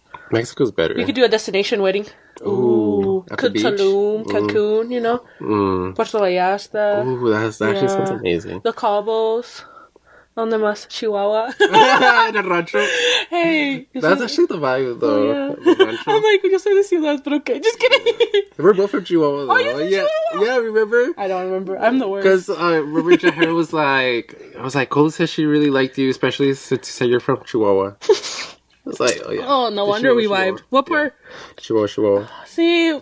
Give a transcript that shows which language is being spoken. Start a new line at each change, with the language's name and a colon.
English: Mexico's better. You could do a destination wedding. Ooh. At the beach? Tulum, Cancun, you know? Mm. Puerto Vallarta. Ooh, that actually sounds amazing. The Cabos. On the mas Chihuahua. In a rancho. Hey. That's actually the vibe, though. Oh, yeah. I'm like,
Spanish: yo soy de ciudad, pero
English: okay. Just kidding. We're both from Chihuahua, though. Oh, yeah, remember? I don't remember. I'm the worst. Because remember, Jahir was like, I was like, Cole says she really liked you, especially since you said you're from Chihuahua. It's like, oh yeah. Oh, no wonder we vibed. What part? Yeah. Chihuahua. See?